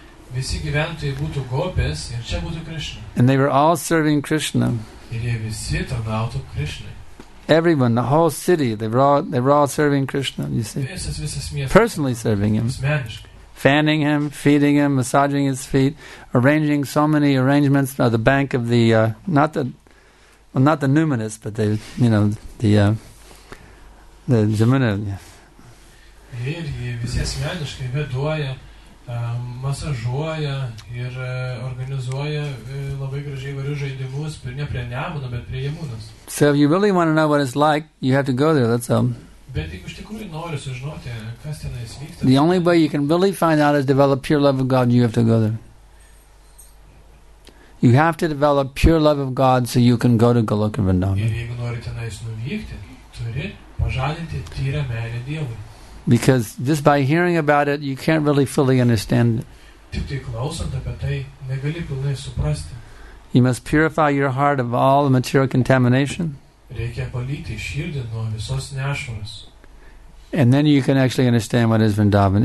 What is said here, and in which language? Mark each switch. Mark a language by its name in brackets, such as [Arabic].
[Lithuanian] Visi gyventojai būtų gopės ir čia būtų Krishna. [English] And they were all serving Krishna. [Lithuanian] Ir jie visi tarnautų Krishna. [English] Everyone, the whole city, they were all serving Krishna, you see. [Lithuanian] Visas miestas. [English] Personally serving him. [Lithuanian] Asmeniškai. [English] Fanning him, feeding him, massaging his feet, arranging so many arrangements on the bank of the not the numinous, but the, you know, the Jamuna. [Lithuanian] Ir jie visi asmeniškai veduoja, masažuoja ir organizuoja labai gražiai įvairius žaidimus, ne prie Nemuno, bet prie Jemunos. [English] So if you really want to know what it's like, you have to go there, that's all. [Lithuanian] Bet jeigu iš tikrųjų nori sužinoti, kas tenais vyksta. [English] The only way you can really find out is develop pure love of God, you have to go there. You have to develop pure love of God so you can go to Goloka Vrindavan. [Lithuanian] Ir jeigu nori tenais nuvykti, turi pažadinti tyrą meilę Dievui. [English] Because just by hearing about it, you can't really fully understand it. You must purify your heart of all the material contamination. And then you can actually understand what is Vrindavan.